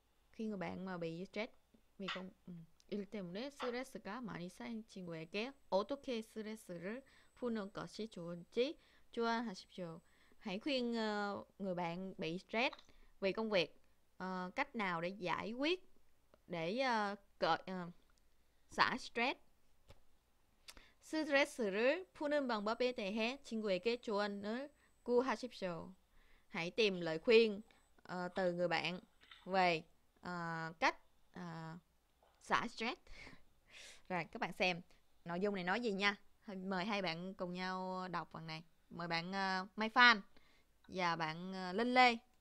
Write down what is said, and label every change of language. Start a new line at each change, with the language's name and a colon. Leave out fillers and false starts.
Vietnamese: Khi người bạn mà bị stress vì công
Korean: il temune stress가 많이 쌓인 친구에게 어떻게 스트레스를 푸는 것이 좋은지 조언하십시오.
Vietnamese: Hãy khuyên người bạn bị stress vì công việc cách nào để giải quyết để xả stress.
Korean: 스트레스를 푸는 방법에 대해 친구에게 조언을 구하십시오.
Vietnamese: Hãy tìm lời khuyên từ người bạn về cách xả stress. Rồi các bạn xem nội dung này nói gì nha. Mời hai bạn cùng nhau đọc phần này. Mời bạn Mai Phan và bạn Linh Lê.